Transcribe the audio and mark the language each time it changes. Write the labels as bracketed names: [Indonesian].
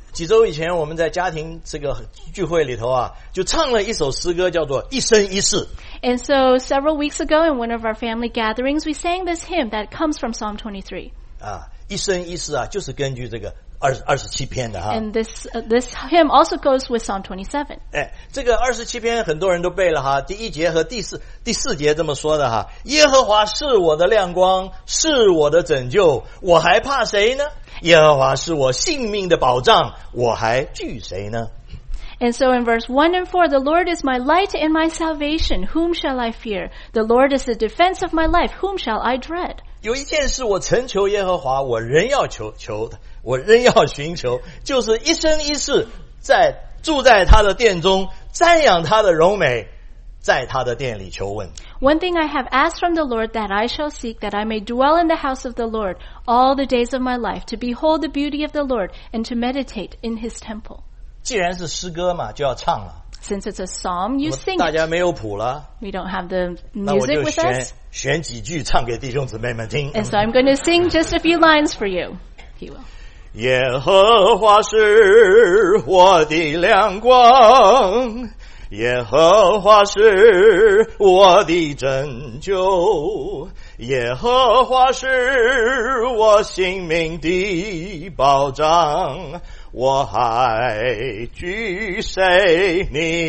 [Chinese] 几周以前，我们在家庭这个聚会里头啊，就唱了一首诗歌，叫做《一生一世》。 [English] And so several weeks ago, in one of our family gatherings, we sang this hymn that comes from Psalm 23. [Chinese] 一生一世啊，就是根据这个。二十七篇的哈。 [English] And this hymn also goes with Psalm 27. [Chinese] 哎，这个二十七篇很多人都背了哈，第一节和第四节这么说的哈，耶和华是我的亮光，是我的拯救，我还怕谁呢？耶和华是我性命的保障，我还惧谁呢？ [English] And so in verse 1 and 4, the Lord is my light and my salvation, whom shall I fear? The Lord is the defense of my life, whom shall I dread? [Chinese] 有一件事我曾求耶和华，我仍要求的。我仍要寻求，就是一生一世在住在他的殿中，瞻仰他的荣美，在他的殿里求问。 [English] One thing I have asked from the Lord that I shall seek, that I may dwell in the house of the Lord all the days of my life, to behold the beauty of the Lord and to meditate in his temple. [Chinese] 既然是诗歌嘛，就要唱了。 [English] Since it's a psalm, you sing. [Chinese] 大家没有谱了。 [English] We don't have the music with us. [Chinese] 那我就选几句唱给弟兄姊妹们听。 [English] And so I'm going to sing just a few lines for you. He will. [Chinese] 耶和华是我的亮光，耶和华是我的拯救，耶和华是我性命的保障，我还惧谁呢？